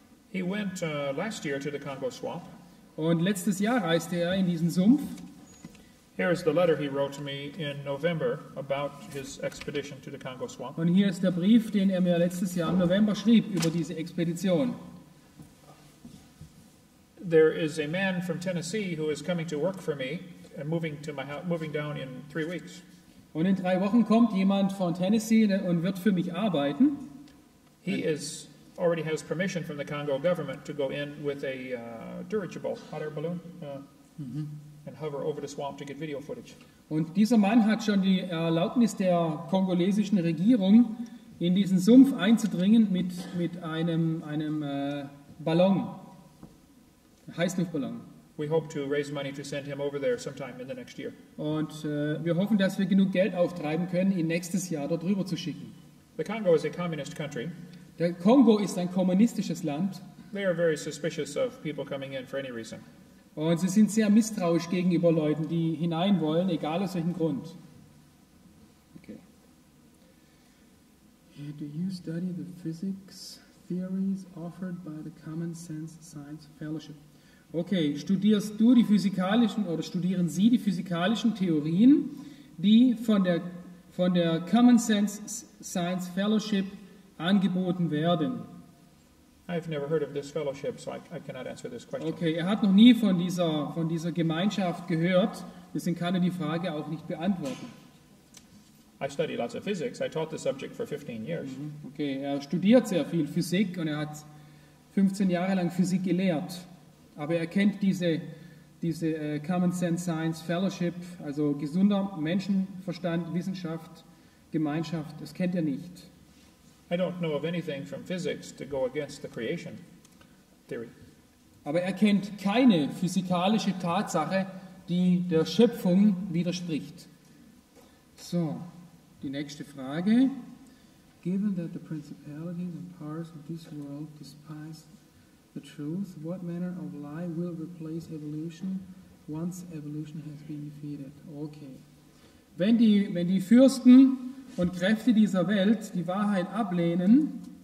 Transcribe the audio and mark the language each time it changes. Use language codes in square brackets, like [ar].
[en] He went last year to the Congo swamp. [de] Und letztes Jahr reiste er in diesen Sumpf. [en] Here is the letter he wrote to me in November about his expedition to the Congo swamp. [de] Und hier ist der Brief, den er mir letztes Jahr im November schrieb über diese Expedition. [en] There is a man from Tennessee who is coming to work for me. And moving to my house, moving down in 3 weeks. [de] Und in 3 Wochen kommt jemand von Tennessee und wird für mich arbeiten. [en] He is already has permission from the Congo government to go in with a dirigible hot air balloon and hover over the swamp to get video footage. [de] Und dieser Mann hat schon die Erlaubnis der kongolesischen Regierung, in diesen Sumpf einzudringen mit einem Ballon, Heißluftballon. [en] We hope to raise money to send him over there sometime in the next year. [de] Und wir hoffen, dass wir genug Geld auftreiben können, ihn nächstes Jahr dort rüber zu schicken. [en] The Congo is a communist country. [de] Der Kongo ist ein kommunistisches Land. [en] They are very suspicious of people coming in for any reason. [de] Und sie sind sehr misstrauisch gegenüber Leuten, die hinein wollen, egal aus welchem Grund. Okay. [en] Do you study the physics theories offered by the Common Sense Science Fellowship? [de] Okay, studierst du die physikalischen oder studieren Sie die physikalischen Theorien, die von der Common Sense Science Fellowship angeboten werden? [en] I've never heard of this fellowship, so I cannot answer this question. [de] Okay, er hat noch nie von dieser Gemeinschaft gehört, deswegen kann er die Frage auch nicht beantworten. [en] I study lots of physics. I taught the subject for 15 years. Mm-hmm. [de] Okay, er studiert sehr viel Physik und er hat 15 Jahre lang Physik gelehrt. Aber er kennt diese Common Sense Science Fellowship, also gesunder Menschenverstand, Wissenschaft, Gemeinschaft, das kennt er nicht. [en] I don't know of anything from physics to go against the creation theory. [de] Aber er kennt keine physikalische Tatsache, die der Schöpfung widerspricht. So, die nächste Frage. [en] Given that the principalities and powers of this world despise the truth, what manner of lie will replace evolution once evolution has been defeated? Okay. [de] Wenn die Fürsten und Kräfte dieser Welt die Wahrheit ablehnen,